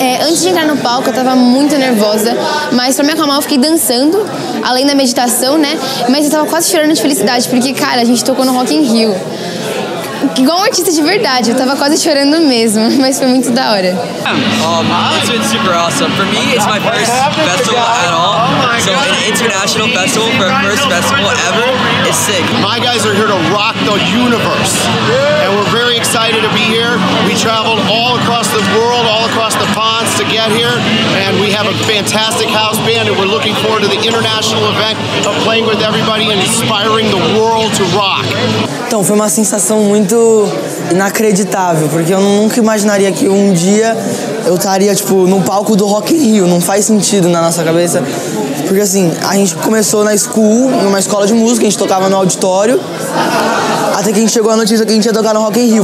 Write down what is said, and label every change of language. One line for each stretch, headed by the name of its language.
Portuguese: Antes de entrar no palco, eu tava muito nervosa, mas pra me acalmar, eu fiquei dançando, além da meditação, né? Mas eu tava quase chorando de felicidade, porque, cara, a gente tocou no Rock in Rio. Igual um artista de verdade, eu tava quase chorando mesmo, mas foi muito da hora.
English: It's been super awesome. For me, it's my first festival at all. So an international festival, for our first festival ever, is sick. My guys are here to rock the universe. And we're very excited to be here. We traveled all across the world, all across the ponds to get here. And we have a fantastic house band, and we're looking forward to the international event of playing with everybody and inspiring the world to rock.
Portuguese: Então, foi uma sensação muito inacreditável, porque eu nunca imaginaria que um dia eu estaria, tipo, no palco do Rock in Rio. Não faz sentido na nossa cabeça, porque assim, a gente começou na school, numa escola de música, a gente tocava no auditório, até que a gente chegou a notícia que a gente ia tocar no Rock in Rio.